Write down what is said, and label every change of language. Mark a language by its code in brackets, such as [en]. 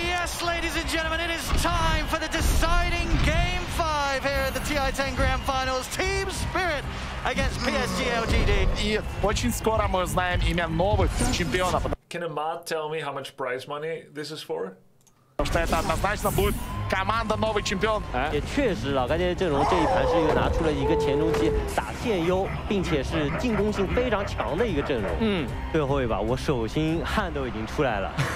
[en] Yes, ladies and gentlemen, it is time for the deciding game 5 here at the TI10 Grand Finals. Team Spirit against PSG LGD. [ru] И очень скоро мы узнаем имя новых чемпионов. [en] Can a mod tell me how much prize money this is for? [ru] Потому что это однозначно будет команда новый чемпион. [zh] 也确实啊，感觉阵容这一盘是一个拿出了一个前中期打线优，并且是进攻性非常强的一个阵容。嗯，最后一把我手心汗都已经出来了。